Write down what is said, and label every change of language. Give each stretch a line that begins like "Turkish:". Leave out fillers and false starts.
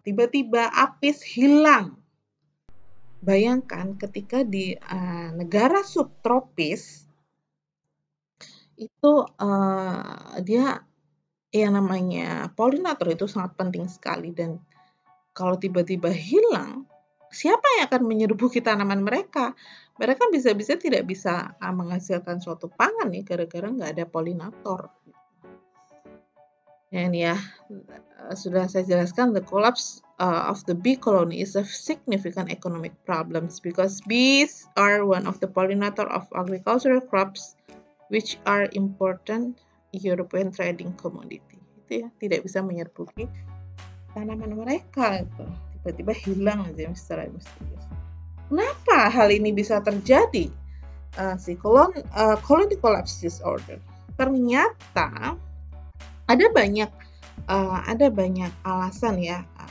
Indonesian: Tiba-tiba Apis hilang. Bayangkan ketika di negara subtropis itu dia ya namanya polinator itu sangat penting sekali, dan kalau tiba-tiba hilang, siapa yang akan menyerbuki tanaman mereka? Mereka bisa-bisa tidak bisa menghasilkan suatu pangan nih gara-gara nggak ada polinator. Dan ya, sudah saya jelaskan,
English: the collapse of the bee colony is a significant economic problems because bees are one of the pollinator of agricultural crops which are important European trading commodity.
Indonesian: Itu ya, tidak bisa menyerbuki tanaman mereka itu. Tiba-tiba hilang aja secara misterius. Kenapa hal ini bisa terjadi? Colony collapse disorder. Ternyata ada banyak alasan ya.